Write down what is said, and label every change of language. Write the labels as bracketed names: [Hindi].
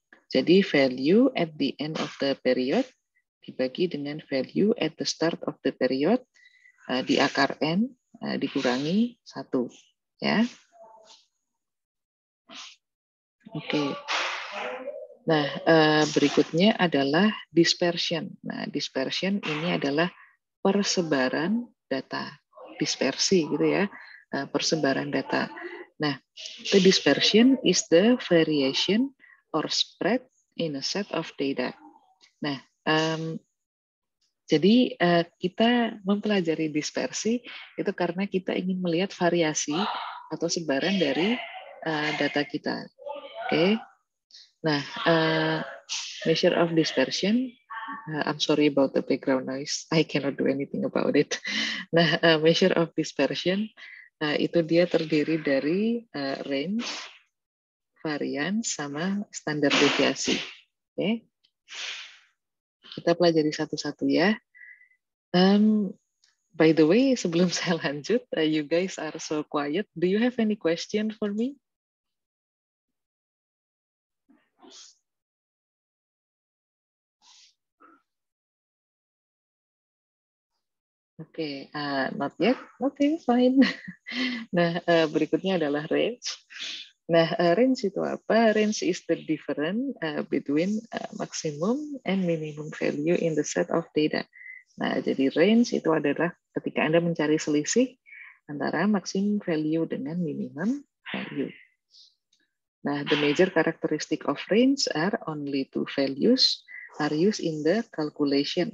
[English] Jadi value at the end of the period [Indonesian] dibagi dengan [English] value at the start of the period [Indonesian] di akar n dikurangi 1. Ya. Oke. Okay. Nah, berikutnya adalah dispersion. Nah, dispersion ini adalah persebaran data, dispersi gitu ya, persebaran data. [English] Nah, the dispersion is the variation or spread in a set of data. [Indonesian] Nah, jadi kita mempelajari dispersi itu karena kita ingin melihat variasi atau sebaran dari data kita. [English] Oke. Okay. Nah, measure of dispersion. I'm sorry about the background noise. I cannot do anything about it. [Indonesian] Nah, measure of dispersion itu dia terdiri dari range, varian, sama standar deviasi. Oke. Okay. Kita pelajari satu-satu ya. [English] By the way, [Indonesian] sebelum saya lanjut, [English] you guys are so quiet. Do you have any question for me? Oke, okay, not yet. Oke, okay, fine. [Indonesian] Nah, berikutnya adalah range. Nah, range itu apa? [English] Range is the difference between maximum and minimum value in the set of data. [Indonesian] Nah, jadi range itu adalah ketika Anda mencari selisih antara maximum value dengan minimum value. [English] Nah, the major characteristic of range are only two values are used in the calculation.